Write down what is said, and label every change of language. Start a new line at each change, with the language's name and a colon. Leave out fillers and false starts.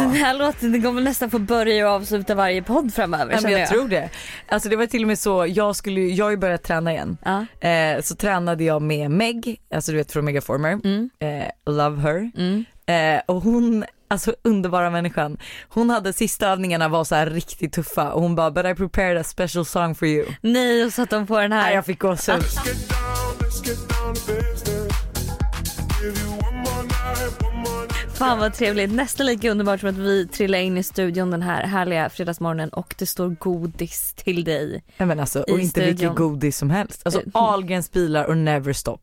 Swedish: Den här låten, den kommer nästan få börja och avsluta varje podd framöver. Men jag tror det. Alltså det var till och med så, jag har ju börjat träna igen. Så tränade jag med Meg, alltså du vet från Megaformer.
English: Love her.
Swedish: Och hon, alltså underbara människan, hon hade sista övningarna var så här riktigt tuffa. Och hon bara,
English: but I prepared a special song for you.
Swedish: Nej, och satt hon på den här. Nej, jag fick gå så.
English: Let's get down,
Swedish: fan vad trevligt, nästan lika underbart som att vi trillar in i studion den här härliga fredagsmorgonen och det står godis till dig. Ja, men alltså, och inte vilket godis som helst. Alltså Ahlgrens bilar och Neverstop.